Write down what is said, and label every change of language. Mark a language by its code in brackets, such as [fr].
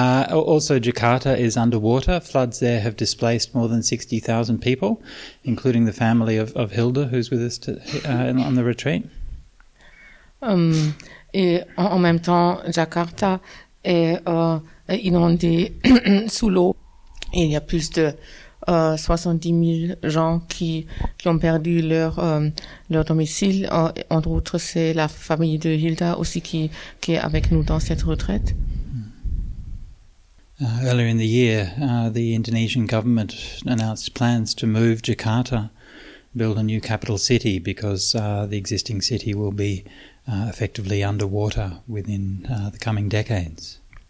[en] Also, Jakarta is underwater. Floods there have displaced more than 60,000 people, including the family of Hilda, who's with us on the retreat. [fr] Et en même temps, Jakarta est inondée sous l'eau. Et il y a plus de 70 000 gens qui ont perdu leur domicile. Entre autres, c'est la famille de Hilda aussi qui est avec nous dans cette retraite. [en] Earlier in the year, the Indonesian government announced plans to move Jakarta, build a new capital city, because the existing city will be effectively underwater within the coming decades.